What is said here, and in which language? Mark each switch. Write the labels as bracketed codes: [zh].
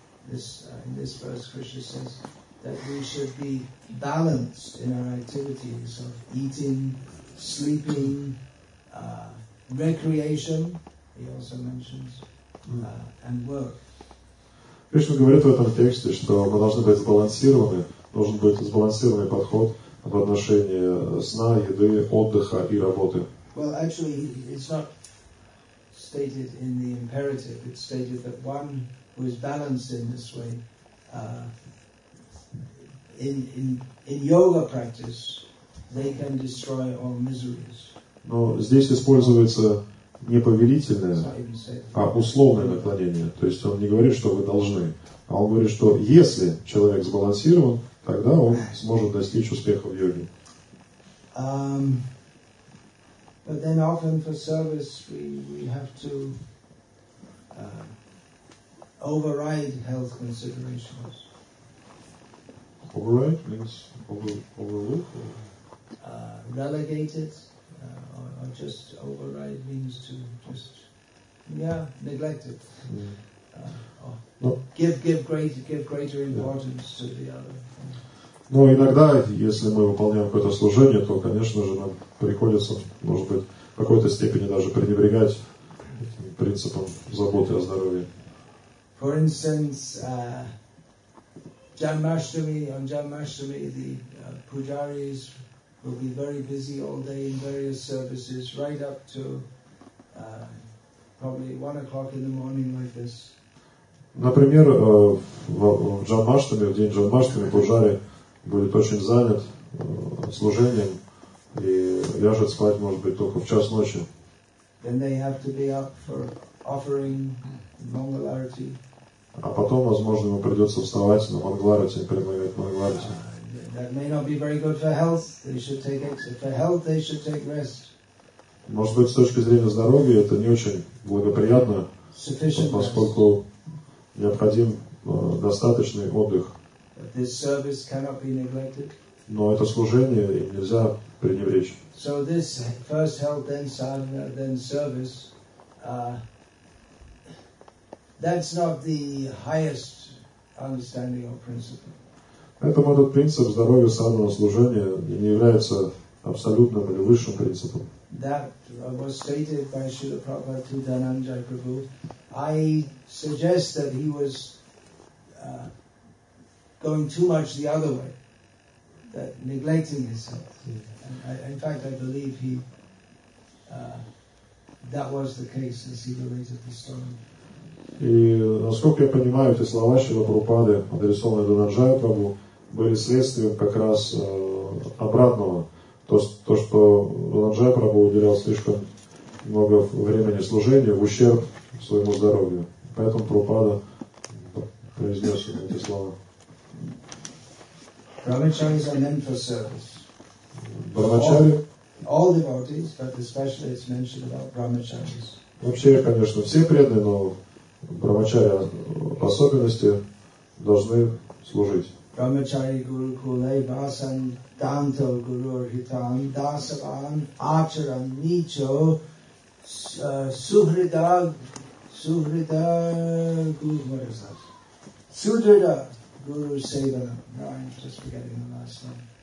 [en] in this verse, Krishna says that we should be balanced in our activities of eating, sleeping, recreation, he also mentions, and work. [ru] Кришна говорит в этом тексте, что мы должны быть сбалансированы, должен быть сбалансированный подход в отношении сна, еды, отдыха и работы. [en] Well, actually, it's not stated in the imperative. It's stated that one who is balanced in this way, in yoga practice, they can destroy all miseries. [ru] Но здесь используется не повелительное, а условное наклонение. То есть он не говорит, что вы должны, а он говорит, что если человек сбалансирован, тогда он сможет достичь успеха в йоге. [en] But then often for service we have to override health considerations. Override means overlook? Relegate it. Or just override means to just, neglect it. Mm. Give greater importance to the other. [ru] Но иногда, если мы выполняем какое-то служение, то, конечно же, нам приходится, может быть, в какой-то степени даже пренебрегать этим принципом заботы о здоровье. [en] For instance, on Janmashtami, the pujaris will be very busy all day in various services, right up to probably 1 o'clock in the morning like this. [ru] Например, в Джанмаштами, в день Джанмаштами, пуджари будет очень занят служением и ляжет спать, может быть, только в час ночи. [en] Then they have to be up for offering mangal arati. [ru] А потом, возможно, ему придется вставать на мангал арати, предлагать мангал арати. [en] That may not be very good for health. They should take exercise. For health, they should take rest. [ru] Может быть, с точки зрения здоровья, это не очень благоприятно, поскольку необходим достаточный отдых. [en] This service cannot be neglected. [ru] Но это служение им нельзя пренебречь. [en] So this first health, then sadhana, then service, that's not the highest understanding or principle. [ru] Поэтому этот принцип здоровья, садхана, служения не является абсолютным или высшим принципом. [en] That was stated by Śrīla Prabhupāda to Dhananjaya Prabhu. I suggest that he was going too much the other way, that neglecting his health. And I believe he that was the case as he related the story. [ru] И насколько я понимаю, эти слова Śrīla Prabhupāda, адресованные Dhananjaya Prabhu, были следствием как раз обратного. То, что Dhananjaya Prabhu уделял слишком много времени служению в ущерб своему здоровью. Поэтому Прабхупада произнес эти слова. [en] Brahmacharis are meant for service. Brahmachari. All devotees, but especially it's mentioned about Brahmacharis. [ru] Вообще, конечно, все преданные, но Brahmachari в особенности должны служить. [sa] Brahmachari Guru Kule Vasan Danto Guru Hitam Dasavan Acharan Nicho Suhrida Guru, [en] what is that? [sa] Sudrida Guru Sevana. [en] No, I'm just forgetting the last one.